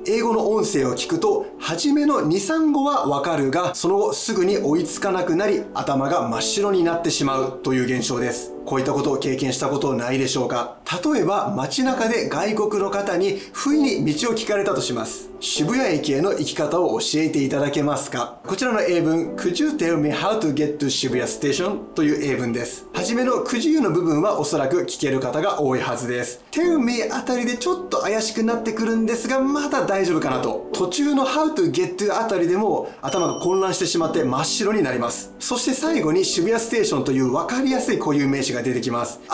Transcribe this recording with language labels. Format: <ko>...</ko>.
<ja>英語の音声を聞くと初めの 2,3 語はわかるが、その後すぐに追いつかなくなり頭が真っ白になってしまうという現象です。こういったことを経験したことないでしょうか。例えば街中で外国の方に不意に道を聞かれたとします。渋谷駅への行き方を教えていただけますか。こちらの英文、</ja> <en>Could you tell me how to get to 渋谷 station?</en> <ja>という英文です。はじめの Could you の部分はおそらく聞ける方が多いはずです。</ja> <en>Tell me</en> <ja>あたりでちょっと怪しくなってくるんですが、まだ大丈夫かなと。途中の</ja> <en>How to get to</en> <ja>あたりでも頭が混乱してしまって真っ白になります。そして最後に渋谷 station という分かりやすい固有名詞が出てきます。</ja>